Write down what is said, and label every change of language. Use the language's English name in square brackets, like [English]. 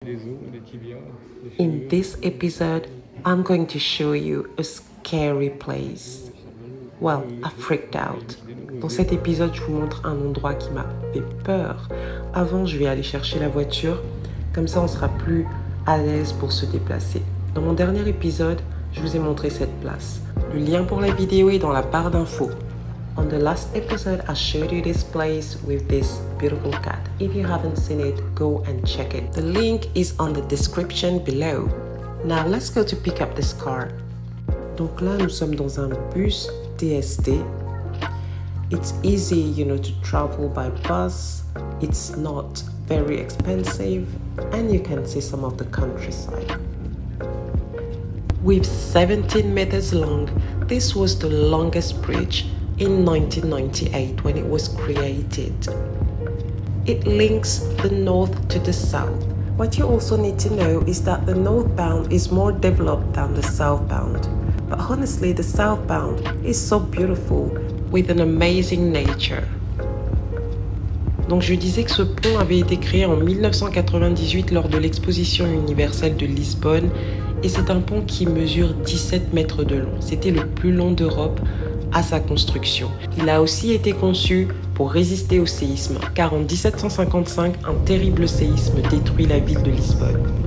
[English] In this episode, I'm going to show you a scary place. Well, I freaked out. [French] Dans cet épisode, je vous montre un endroit qui m'a fait peur. Avant, je vais aller chercher la voiture. Comme ça, on sera plus à l'aise pour se déplacer. Dans mon dernier épisode, je vous ai montré cette place. Le lien pour la vidéo est dans la barre d'infos. [English] On the last episode, I showed you this place with this beautiful cat. If you haven't seen it, go and check it. The link is on the description below. Now, let's go to pick up this car. [French] Donc là, nous sommes dans un bus TST. [English] It's easy, you know, to travel by bus. It's not very expensive. And you can see some of the countryside. With 17 meters long, this was the longest bridge in 1998 when it was created. It links the north to the south. What you also need to know is that the northbound is more developed than the southbound. But honestly, the southbound is so beautiful with an amazing nature. [French] Donc je disais que ce pont avait été créé en 1998 lors de l'exposition universelle de Lisbonne et c'est un pont qui mesure 17 mètres de long. C'était le plus long d'Europe à sa construction. Il a aussi été conçu pour résister au séisme, car en 1755, un terrible séisme détruit la ville de Lisbonne.